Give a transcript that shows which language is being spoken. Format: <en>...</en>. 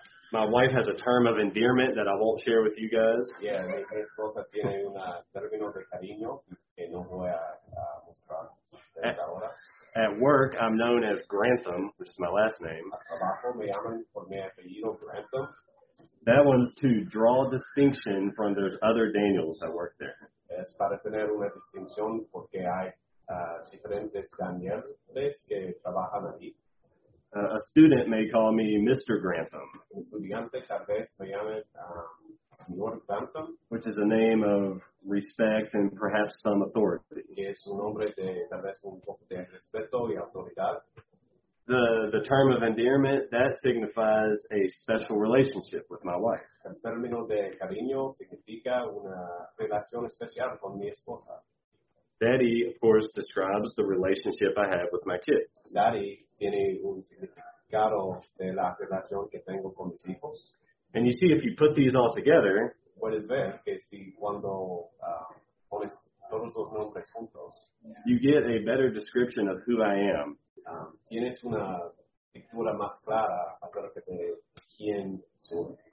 <en>My wife has a term of endearment that I won't share with you guys.</en> <es>Yeah, mi esposa tiene un término de cariño que no voy a mostrar desde ahora.</es> <en>At work, I'm known as Grantham, which is my last name.</en> <es>Abajo me llaman por mi apellido Grantham.</es> <en>That one's to draw distinction from those other Daniels that work there.</en> <es>Es para tener una distinción porque hay diferentes Danieles que trabajan allí.</es> <en>A student may call me Mr. Grantham.</en> <es>El estudiante tal vez me llame Señor Grantham.</es> <en>Which is a name of respect and perhaps some authority.</en> <es>Que es un nombre de tal vez un poco de respeto y autoridad.</es> <en>The term of endearment, that signifies a special relationship with my wife.</en> <es>El término de cariño significa una relación especial con mi esposa.</es> <en>Daddy, of course, describes the relationship I have with my kids.</en> <es>Daddy tiene un significado de la relación que tengo con mis hijos.</es> <en>And you see, if you put these all together,</en> <es>puedes ver que si cuando pones todos los nombres juntos,</es> <en>you get a better description of who I am.</en> <es>Tienes una pintura más clara acerca de quién soy.</es>